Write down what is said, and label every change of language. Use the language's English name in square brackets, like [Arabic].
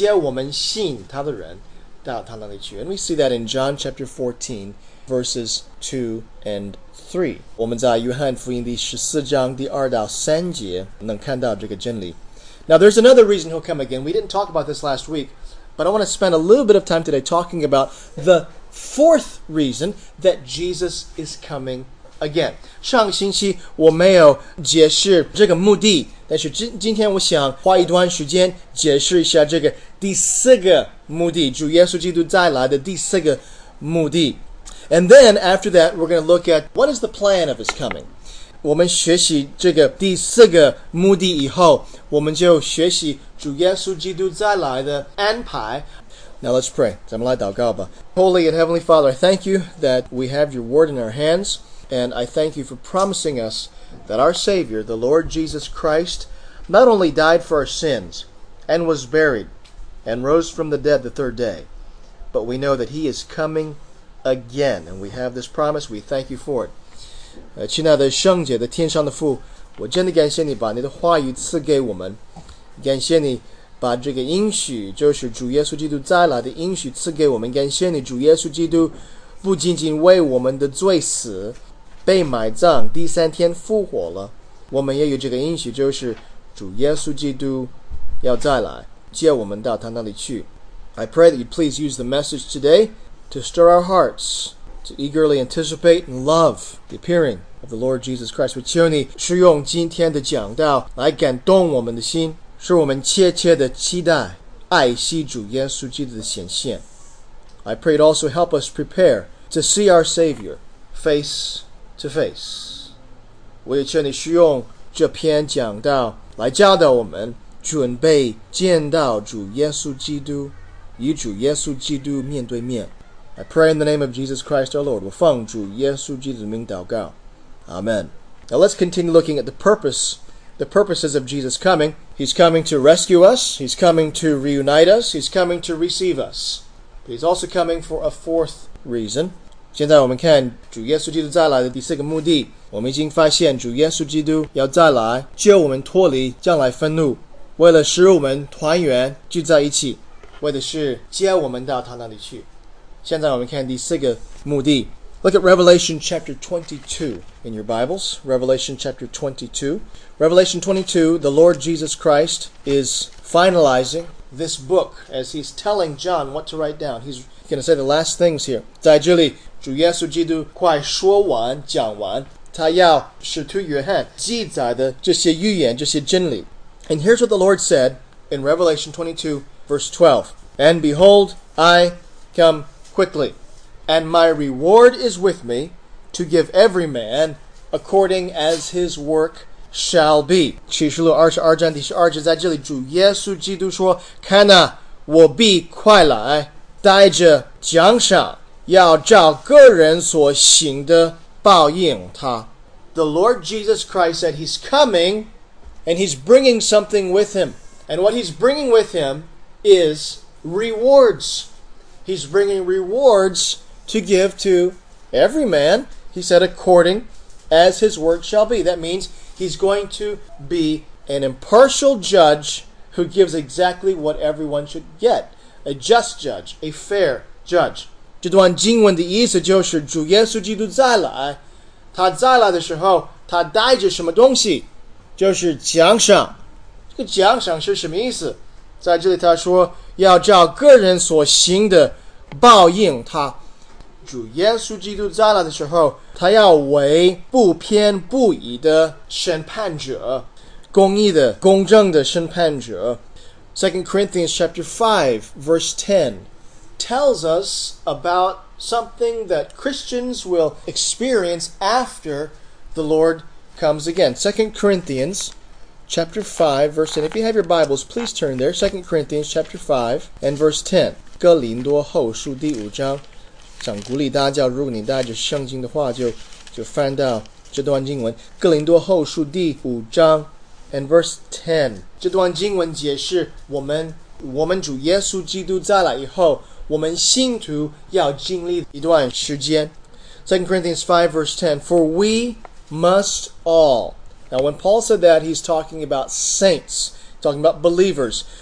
[Chinese] 上星期学习的第三个原因就是主耶稣基督再来的原因，就是主耶稣要再来接我们到他那里去，接我们信他的人到他那里去。 [English] And we see that in John chapter 14. Verses 2 and 3. [Chinese] 我们在约翰福音第十四章第二到三节能看到这个真理。 [English] Now there's another reason He'll come again. We didn't talk about this last week, but I want to spend a little bit of time today talking about the fourth reason that Jesus is coming again. [Chinese] 上星期我没有解释这个目的，但是今天我想花一段时间解释一下这个第四个目的，主耶稣基督再来的第四个目的。 [English] And then after that, we're going to look at what is the plan of his coming. [Chinese] 我们学习这个第四个目的以后，我们就学习主耶稣基督再来的安排。 [English] Now let's pray. [Chinese] 咱们来祷告吧。 [English] Holy and Heavenly Father, I thank you that we have your word in our hands. And I thank you for promising us that our Savior, the Lord Jesus Christ, not only died for our sins and was buried and rose from the dead the third day, but we know that he is coming again. And we have this promise. We thank you for it. [Chinese] 亲爱的圣姐的天上的父，我真的感谢你把你的话语赐给我们，感谢你把这个应许，就是主耶稣基督再来的应许赐给我们，感谢你主耶稣基督不仅仅为我们的罪死被埋葬，第三天复活了，我们也有这个应许，就是主耶稣基督要再来接我们到他那里去。 [English] I pray that you please use the message today to stir our hearts to eagerly anticipate and love the appearing of the Lord Jesus Christ. [Chinese] 我求你使用今天的讲道来感动我们的心，是我们切切的期待爱惜主耶稣基督的显现。 [English] I pray it also help us prepare to see our Savior face to face. [Chinese] 我也劝你使用这篇讲道来教导我们准备见到主耶稣基督，与主耶稣基督面对面。 [English] I pray in the name of Jesus Christ our Lord. [Chinese] 我奉主耶稣基督的名祷告， [English] Amen. Now let's continue looking at the purposes of Jesus coming. He's coming to rescue us. He's coming to reunite us. He's coming to receive us. He's also coming for a fourth reason. [Chinese] 现在我们看主耶稣基督再来的第四个目的。我们已经发现主耶稣基督要再来救我们脱离将来愤怒，为了使我们团圆聚在一起，为的是接我们到他那里去。现在我们看第四个目的。 [English] Look at Revelation chapter 22 in your Bibles. Revelation chapter 22. Revelation 22, the Lord Jesus Christ is finalizing this book as he's telling John what to write down. He's going to say the last things here. [Chinese] 在这里主耶稣基督快说完讲完他要使徒约翰记载的这些预言这些真理。 [English] And here's what the Lord said in Revelation 22 verse 12. And behold, I come quickly. And my reward is with me to give every man according as his work shall be. [Chinese] 启示录二十二章第十二节在这里主耶稣基督说，看啊，我必快来，带着奖赏，要照个人所行的报应他。 [English] The Lord Jesus Christ said he's coming and he's bringing something with him. And what he's bringing with him is rewards. He's bringing rewards. To give to every man, he said, according as his work shall be. That means he's going to be an impartial judge who gives exactly what everyone should get. A just judge, a fair judge. [Chinese] 这段经文的意思就是主耶稣基督再来，他再来的时候，他带着什么东西？就是奖赏。这个奖赏是什么意思？在这里他说，要照个人所行的报应他。主耶稣基督再来的时候，他要为不偏不倚的审判者，公义的、公正的审判者。 [English] 2 Corinthians chapter 5 verse 10 tells us about something that Christians will experience after the Lord comes again. 2 Corinthians chapter 5 verse 10. If you have your Bibles, please turn there. 2 Corinthians chapter 5 and verse 10. [Chinese] 哥林多后书第五章。想鼓励大家，如果你带着圣经的话，就翻到这段经文，哥林多后书第五章 [English] and verse 10。 [Chinese] 这段经文解释我们主耶稣基督再来以后，我们信徒要经历一段时间。 [English] 2 Corinthians 5 verse 10, For we must all. Now when Paul said that, he's talking about saints, talking about believers.